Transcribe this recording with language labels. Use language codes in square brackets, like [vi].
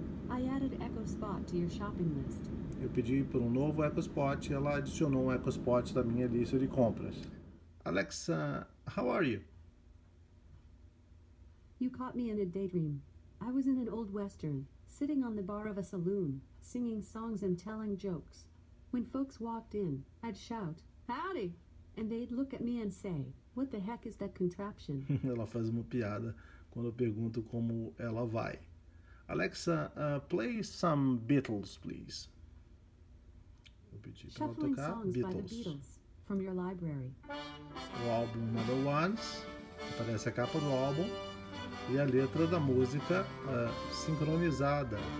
[en] I added Echo Spot to your shopping list. [pt] Eu pedi por um novo Echo Spot e ela adicionou um Echo Spot da minha lista de compras. [en] Alexa, how are you? You caught me in a daydream. I was in an old western, sitting on the bar of a saloon, singing songs and telling jokes. When folks walked in, I'd shout, howdy! And they'd look at me and say, what the heck is that contraption? [pt] Ela faz uma piada quando eu pergunto como ela vai. [en] Alexa, play some Beatles, please. [pt] pedi pra ela tocar Beatles. [en] From your library. [pt] O álbum Number Ones, aparece a capa do álbum e a letra da música sincronizada.